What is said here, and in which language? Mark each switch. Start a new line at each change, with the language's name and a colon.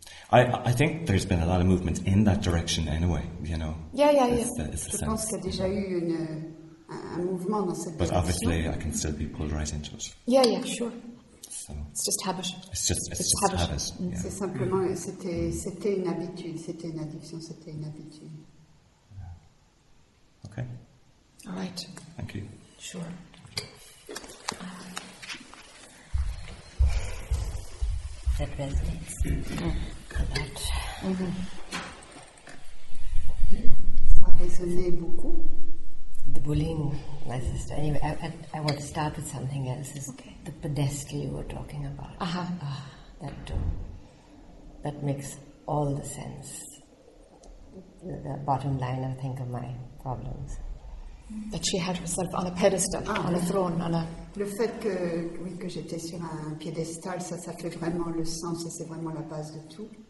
English: I think there's been a lot of movement in that direction anyway, you know. Yeah.
French: Je pense qu'il y a déjà eu un mouvement dans cette
English: direction. But obviously I can still be pulled right into it. Yeah, sure. So it's just habit. It's just habit. Yeah.
French: C'est simplement, c'était une habitude, c'était une addiction, c'était une habitude.
English: Yeah. Okay. All right. Thank you. Sure. The presence. Correct.
French: Ça résonnait beaucoup.
English: The bullying. Anyway, I want to start with something else. Okay. The pedestal you were talking about. Uh-huh. That makes all the sense. The bottom line, I think, of my problems. That she had herself on a pedestal, on a throne, on a...
French: Le fait que, oui, que j'étais sur un piédestal, ça fait vraiment le sens, et c'est vraiment la base de tout.